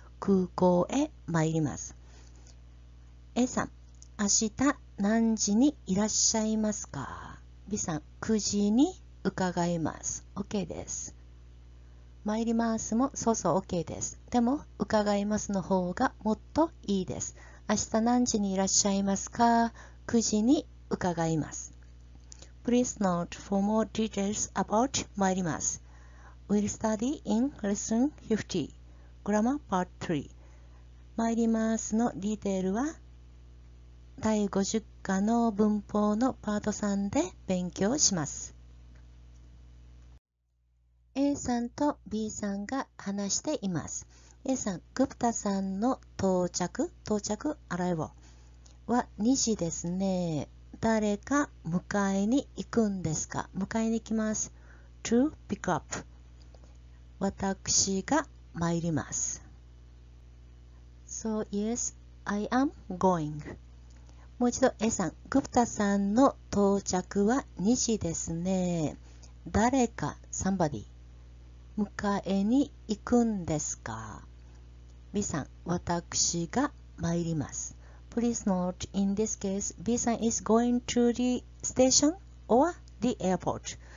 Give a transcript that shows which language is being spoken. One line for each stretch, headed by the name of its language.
Japanese: 空港へ参ります。A さん、明日何時にいらっしゃいますか ?B さん、9時に伺います。 OK です。参りますも、そうそう、OK です。でも、伺いますの方がもっといいです。明日何時にいらっしゃいますか ?9 時に伺います。
English: Please note for more details about 参ります。 We'll study in Lesson 50, Grammar Part 3.
Japanese: 参りますのディテールは、第50課の文法のパート3で勉強します。 A さんと B さんが話しています。A さん、グプタさんの到着、アライボは2時ですね。誰か迎えに行くんですか? 迎えに行きます。
English: To pick up。
Japanese: 私が参ります。
English: So yes, I am going。
Japanese: もう一度 A さん、グプタさんの到着は2時ですね。誰か、somebody。迎えに行くんですか ?B さん、私が参ります。
English: Please note, in this case, B さん is going to the station or the airport.